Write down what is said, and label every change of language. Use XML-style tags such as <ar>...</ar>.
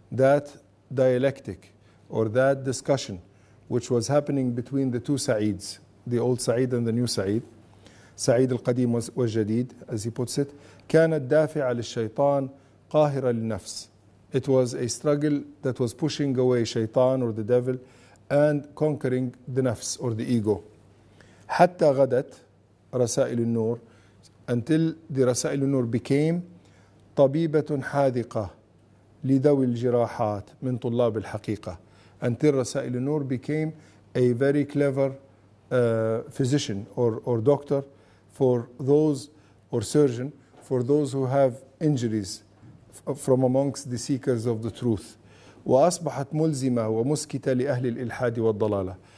<en>That dialectic, or that discussion, which was happening between the two Sa'eeds, the old Sa'eed and the new Sa'eed, Sa'eed al-Qadim wal-Jadid, as he puts it,</en> <ar>كَانَتْ دَافِعَ لِلشَّيْطَانِ قَاهِرَ لِلنَّفْسِ.</ar> <en>It was a struggle that was pushing away shaitan or the devil and conquering the nafs or the ego.</en> <ar>حتى غدت رسائل النور,</ar> <en>until the</en> <ar>رسائل النور</ar> <en>became</en> <ar>طبيبة حاذقة لذوي الجراحات من طلاب الحقيقة.</ar> <en>Until رسائل النور became a very clever physician or doctor for those, or surgeon for those who have injuries from amongst the seekers of the truth.</en> <ar>وَأَصْبَحَتْ مُلْزِمَةً وَمُسْكِتَ لِأَهْلِ الْإِلْحَادِ وَالضَّلَالَةِ.</ar>